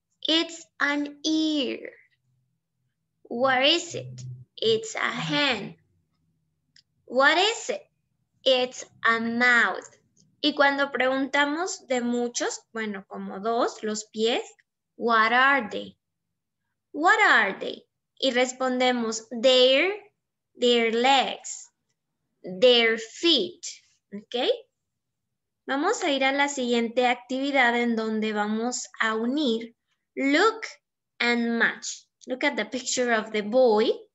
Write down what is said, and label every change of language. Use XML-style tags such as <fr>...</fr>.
<en>It's an ear. What is it? It's a hand. What is it? It's a mouth.</en> <es>Y cuando preguntamos de muchos, bueno, como dos, los pies,</es> <en>what are they? What are they?</en> <es>Y respondemos,</es> <en>their legs, their feet. Okay?</en> <es>Vamos a ir a la siguiente actividad en donde vamos a unir</es> <en>look and match. Look at the picture of the boy.</en>